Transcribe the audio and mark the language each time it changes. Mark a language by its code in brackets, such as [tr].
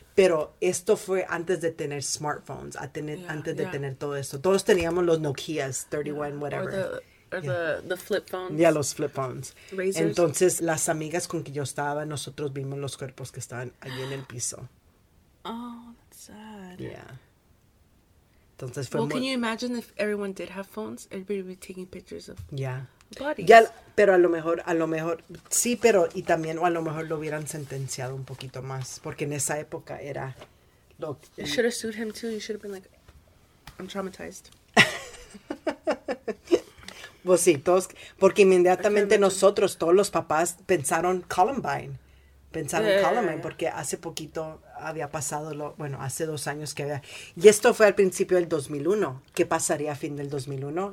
[es] Pero esto fue antes de tener smartphones, antes de tener todo esto. Todos teníamos los Nokias 31, [en] yeah, whatever. Or the flip phones. [es] Ya, yeah, los flip phones. [en] Razors. [es] Entonces, las amigas con que yo estaba, nosotros vimos los cuerpos que estaban allí en el piso. [en] Oh, that's sad. [es] Yeah. Entonces, fue [en] well, can you imagine if everyone did have phones? Everybody would be taking pictures of bodies. [es] Yeah, pero a lo mejor, sí, pero, y también, o a lo mejor lo hubieran sentenciado un poquito más, porque en esa época era, look. [en] You should have sued him too, you should have been like, I'm traumatized. [es] Pues sí, todos, porque inmediatamente nosotros, todos los papás, pensaron Columbine, porque hace poquito había pasado, hace 2 años que había, y esto fue al principio del 2001, ¿qué pasaría a fin del 2001?